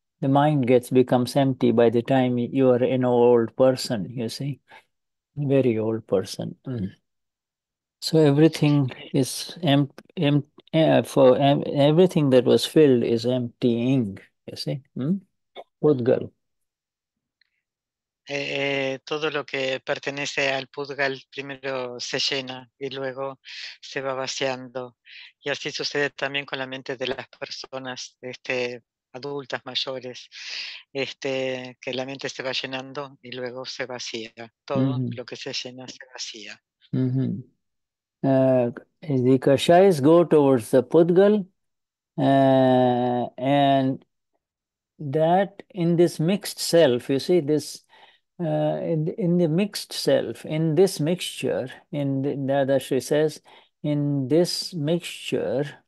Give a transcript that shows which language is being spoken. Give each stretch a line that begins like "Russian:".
English: The mind becomes empty by the time you are an old person, you see, very old person. So everything is everything that was filled is emptying, you see.
Spanish: Pudgal. Todo lo que pertenece al Pudgal primero se llena y luego se va vaciando. Y así sucede también con la mente de las personas adultas, mayores, que la mente se va llenando y luego se vacía. Todo lo que se llena se vacía.
English: The Kashais go towards the Pudgal, and that in this mixed self, you see, this in the mixed self, in this mixture, in Dadashri says, in this mixture,